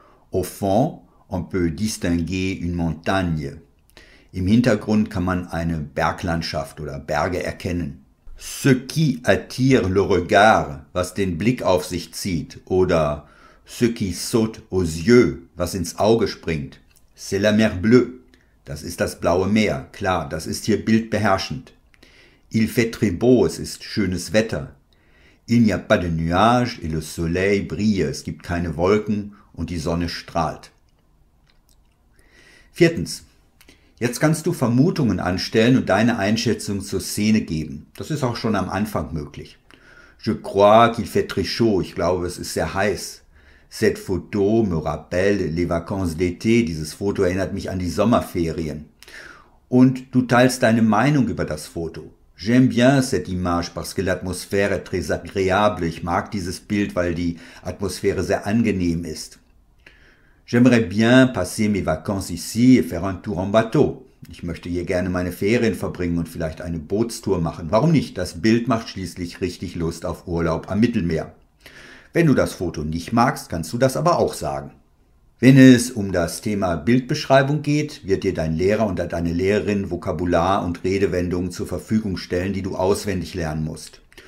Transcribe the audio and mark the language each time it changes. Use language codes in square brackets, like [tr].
[fr] Au fond, on peut distinguer une montagne. [de] Im Hintergrund kann man eine Berglandschaft oder Berge erkennen. [fr] Ce qui attire le regard, [de] was den Blick auf sich zieht, [fr] oder ce qui saute aux yeux, [de] was ins Auge springt, [fr] c'est la mer bleue. [de] Das ist das blaue Meer, klar, das ist hier bildbeherrschend. [fr] Il fait très beau, [de] es ist schönes Wetter. [fr] Il n'y a pas de nuages et le soleil brille, [de] es gibt keine Wolken und die Sonne strahlt. Viertens, jetzt kannst du Vermutungen anstellen und deine Einschätzung zur Szene geben. Das ist auch schon am Anfang möglich. [fr] Je crois qu'il fait très chaud. [de] Ich glaube, es ist sehr heiß. [fr] Cette photo me rappelle les vacances d'été. [de] Dieses Foto erinnert mich an die Sommerferien. Und du teilst deine Meinung über das Foto. [fr] J'aime bien cette image parce que l'atmosphère est très agréable. [de] Ich mag dieses Bild, weil die Atmosphäre sehr angenehm ist. J'aimerais bien passer mes vacances ici et faire un tour en bateau. Ich möchte hier gerne meine Ferien verbringen und vielleicht eine Bootstour machen. Warum nicht? Das Bild macht schließlich richtig Lust auf Urlaub am Mittelmeer. Wenn du das Foto nicht magst, kannst du das aber auch sagen. Wenn es um das Thema Bildbeschreibung geht, wird dir dein Lehrer oder deine Lehrerin Vokabular und Redewendungen zur Verfügung stellen, die du auswendig lernen musst.